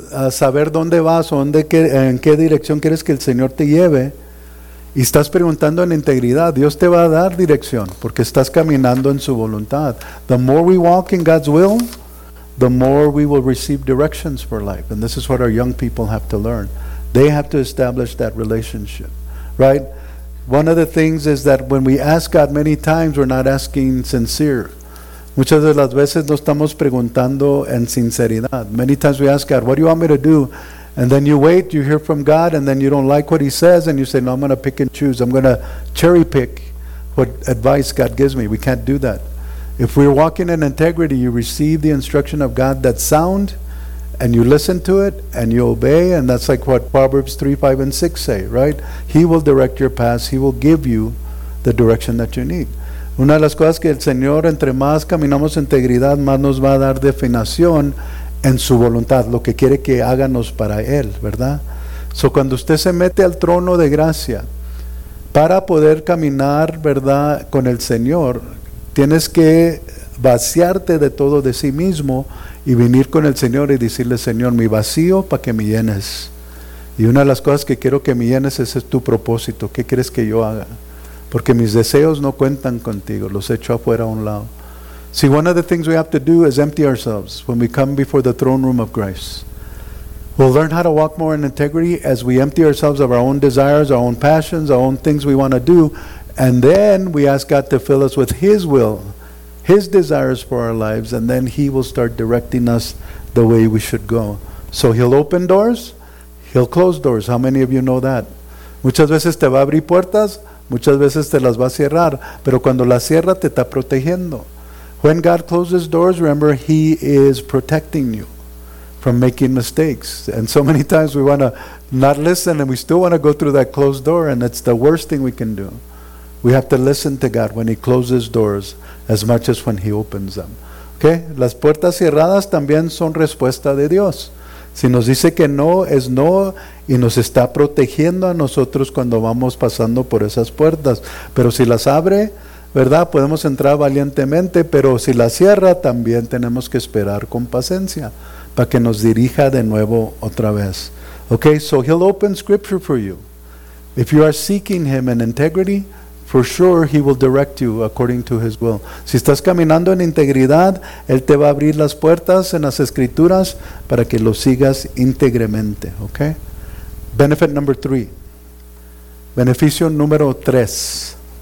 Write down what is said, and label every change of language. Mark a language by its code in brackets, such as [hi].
[es] Saber dónde vas o en qué dirección quieres que el Señor te lleve, y estás preguntando en integridad, Dios te va a dar dirección porque estás caminando en su voluntad. [en] The more we walk in God's will, the more we will receive directions for life. And this is what our young people have to learn. They have to establish that relationship, right? One of the things is that when we ask God many times, we're not asking sincere. [es] Muchas de las veces no estamos preguntando en sinceridad. [en] Many times we ask God, what do you want me to do? And then you wait, you hear from God, and then you don't like what He says, and you say, no, I'm going to pick and choose. I'm going to cherry pick what advice God gives me. We can't do that. If we're walking in integrity, you receive the instruction of God that's sound, and you listen to it, and you obey, and that's like what Proverbs 3, 5, and 6 say, right? He will direct your paths. He will give you the direction that you need. [es] Una de las cosas que el Señor, entre más caminamos en integridad, más nos va a dar definición en su voluntad, lo que quiere que háganos para Él, ¿verdad? So, cuando usted se mete al trono de gracia, para poder caminar, ¿verdad?, con el Señor, tienes que vaciarte de todo de sí mismo y venir con el Señor y decirle, Señor, mi vacío para que me llenes. Y una de las cosas que quiero que me llenes, ese es tu propósito. ¿Qué quieres que yo haga? Porque mis deseos no cuentan contigo. Los echo afuera a un lado. [en] See, one of the things we have to do is empty ourselves when we come before the throne room of grace. We'll learn how to walk more in integrity as we empty ourselves of our own desires, our own passions, our own things we want to do. And then we ask God to fill us with His will, His desires for our lives, and then He will start directing us the way we should go. So He'll open doors, He'll close doors. How many of you know that? [es] Muchas veces te va a abrir puertas, muchas veces te las va a cerrar, pero cuando las cierra te está protegiendo. [en] When God closes doors, remember, He is protecting you from making mistakes. And so many times we want to not listen and we still want to go through that closed door, and it's the worst thing we can do. We have to listen to God when He closes doors as much as when He opens them. [es] ¿Qué? Las puertas cerradas también son respuesta de Dios. Si nos dice que no, es no, y nos está protegiendo a nosotros cuando vamos pasando por esas puertas. Pero si las abre, ¿verdad? Podemos entrar valientemente, pero si las cierra, también tenemos que esperar con paciencia para que nos dirija de nuevo otra vez. [en] Okay, so he'll open scripture for you. If you are seeking him in integrity, for sure he will direct you according to his will. [es] Si estás caminando en integridad, él te va a abrir las puertas en las escrituras para que lo sigas íntegremente. [en] Okay? Benefit number three. [es] Beneficio número tres.